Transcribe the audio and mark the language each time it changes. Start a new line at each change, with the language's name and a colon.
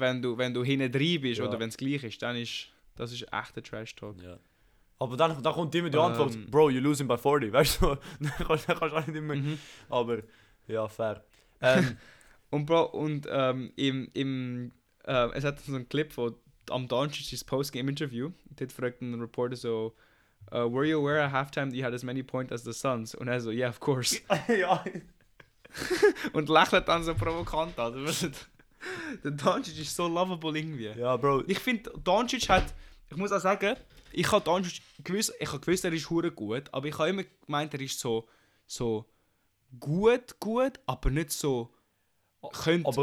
German: Wenn du hinten drin bist oder wenn es gleich ist, dann ist das ist echt ein Trash-Talk. Ja. Aber dann kommt immer die Antwort,
English: Bro, you're losing by 40,
German: weißt du? Dann kannst du auch nicht mehr. Mm-hmm. Aber, ja, fair. Und Bro, und es hat so einen Clip von am Doncic his Post-Game-Interview. Dort fragt ein Reporter so,
English: were you aware at halftime that you had as many points as the Suns?
German: Und er so,
English: yeah, of course.
German: Ja. Und lächelt dann so provokant an. Der Doncic ist so lovable irgendwie. Ja, Bro. Ich finde, Doncic hat, ich muss auch sagen, ich habe Doncic gewusst, er ist hure gut, aber ich habe immer gemeint, er ist so gut, aber nicht so, könnte